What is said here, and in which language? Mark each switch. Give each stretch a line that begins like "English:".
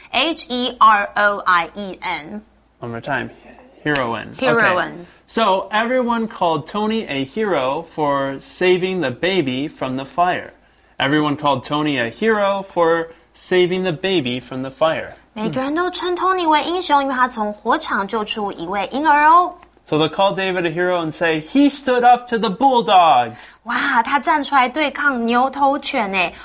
English: H-E-R-O-I-E-N. One more time. Heroine. Heroine. Okay. So, everyone called Tony a hero for saving the baby from the fire. Everyone called Tony a hero for saving the baby from the fire.
Chinese: 每个人都称 Tony 为英雄因为他从火场救出一位婴儿哦。
English: So, they call David a hero and say, he stood up to the bulldogs.
Chinese: 哇他站出来对抗牛头犬耶。